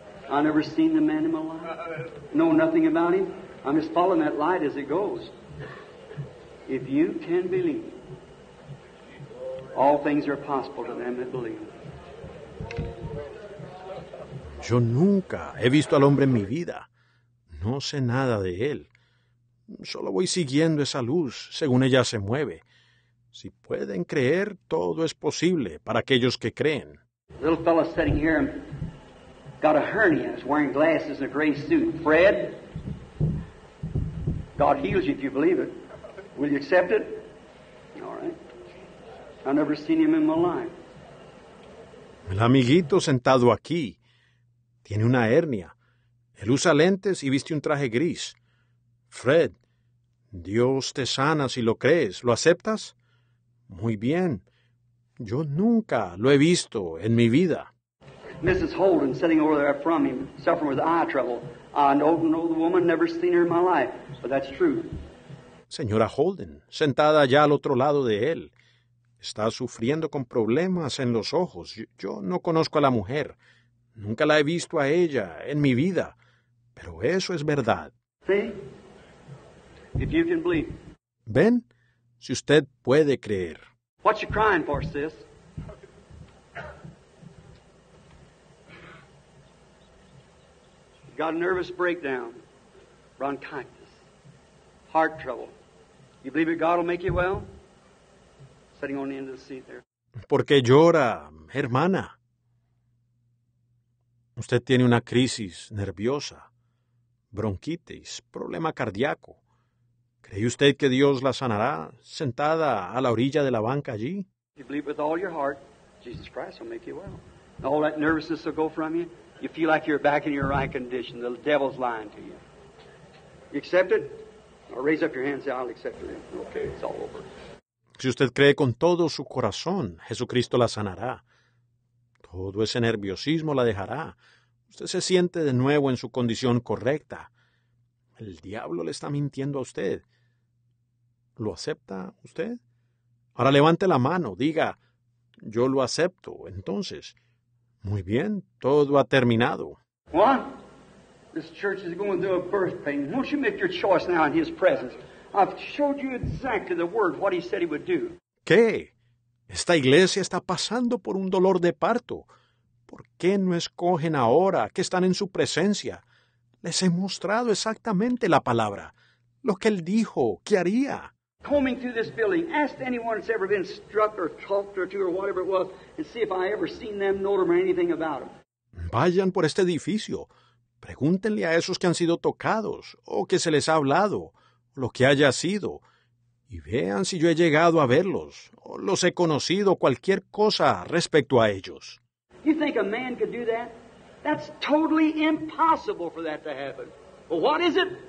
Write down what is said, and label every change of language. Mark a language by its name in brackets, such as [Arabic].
[English] I've never seen the man in my life. Know nothing about him. I'm just following that light as it goes. If you can believe, all things are possible to them that believe. [Spanish] Yo nunca he visto al hombre en mi vida. No sé nada de él. Solo voy siguiendo esa luz según ella se mueve. Si pueden creer, todo es posible para aquellos que creen. [English] The little fellow sitting here got a hernia. He's wearing glasses and a gray suit. Fred, God heals you if you believe it. Will you accept it? All right. I've never seen him in my life. [Spanish] El amiguito sentado aquí tiene una hernia. Él usa lentes y viste un traje gris. Fred, Dios te sana si lo crees. ¿Lo aceptas? Muy bien. Yo nunca lo he visto en mi vida. [English] Mrs. Holden, sitting over there from him, suffering with eye trouble. I know the woman, never seen her in my life, but that's true. [Spanish] Señora Holden, sentada allá al otro lado de él, está sufriendo con problemas en los ojos. Yo no conozco a la mujer. Nunca la he visto a ella en mi vida. Pero eso es verdad. [English] See? If you can believe. [Spanish] ¿Ven? Si usted puede creer. [English] What you crying for, sis? Got a nervous breakdown, bronchitis, heart trouble. You believe that God will make you well? Sitting on the end of the seat there. [Spanish] ¿Por qué llora, hermana? Usted tiene una crisis nerviosa, bronquitis, problema cardíaco. ¿Cree usted que Dios la sanará sentada a la orilla de la banca allí? [English] You believe with all your heart, Jesus Christ will make you well. All that nervousness will go from you. You feel like you're back in your right condition. The devil's lying to you. You accept it? Or raise up your hand and say, I'll accept it. Okay, it's all over. [Spanish] Si usted cree con todo su corazón, Jesucristo la sanará. Todo ese nerviosismo la dejará. Usted se siente de nuevo en su condición correcta. El diablo le está mintiendo a usted. ¿Lo acepta usted? Ahora levante la mano. Diga, yo lo acepto. Entonces, muy bien, todo ha terminado. [English] What? This church is going through a birth pain. Won't you make your choice now in his presence? I've showed you exactly the word, what he said he would do. [Spanish] ¿Qué? Esta iglesia está pasando por un dolor de parto. ¿Por qué no escogen ahora que están en su presencia? Les he mostrado exactamente la palabra, lo que él dijo, ¿qué haría? [English] Combing through this building, ask anyone that's ever been struck or talked to or whatever it was, and see if I ever seen them, know them, or anything about them. [Spanish] Vayan por este edificio, pregúntenle a esos que han sido tocados, o que se les ha hablado, lo que haya sido, y vean si yo he llegado a verlos, o los he conocido, cualquier cosa respecto a ellos. [English] You think a man could do that? That's totally impossible for that to happen. Well, what is it?